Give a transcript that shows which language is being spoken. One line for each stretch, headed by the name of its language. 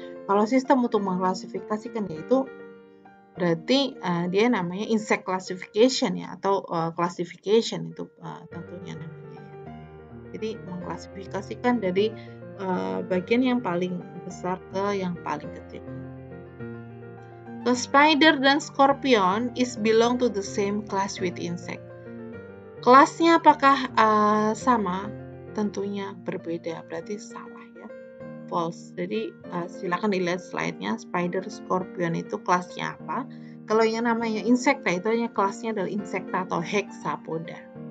Indonesian: Kalau sistem untuk mengklasifikasikan yaitu berarti dia namanya insect classification ya, atau classification itu tentunya namanya. Jadi mengklasifikasikan dari bagian yang paling besar ke yang paling kecil.
English: The spider dan scorpion is belong to the same class with insect.
Indonesian: Kelasnya apakah sama? Tentunya berbeda, berarti salah ya. False. Jadi silakan dilihat slide-nya, spider, scorpion itu kelasnya apa. Kalau yang namanya insecta, itu hanya kelasnya adalah insecta atau hexapoda.